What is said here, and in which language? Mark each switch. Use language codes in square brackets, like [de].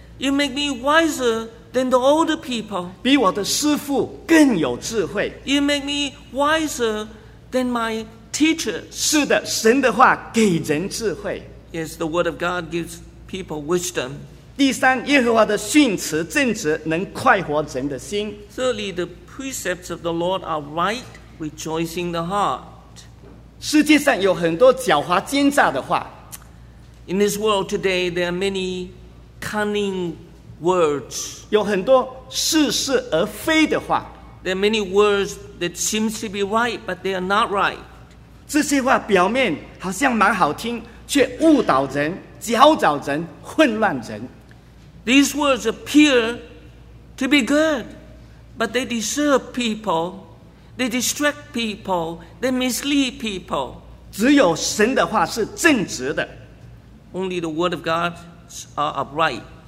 [en] You make me wiser than the older people. [zh] 比我的师父更有智慧。 [en] You make me wiser than my teachers. [zh] 是的，神的话给人智慧。 [en] Yes, the word of God gives people wisdom. [zh] 第三，耶和华的训词正直，能快活人的心。 [en] Thirdly, the precepts of the Lord are right, rejoicing the heart. [zh] 世界上有很多狡猾奸诈的话。 [en] In this world today, there are many cunning words. [zh] 有很多似是而非的话。 [en] There are many words that seem to be right, but they are not right. [zh] 这些话表面好像蛮好听，却误导人、搅扰人、混乱人。 [en] These words appear to be good, but they deceive people, they distract people, they mislead people. [zh] 只有神的话是正直的。 [en] Only the word of God are upright.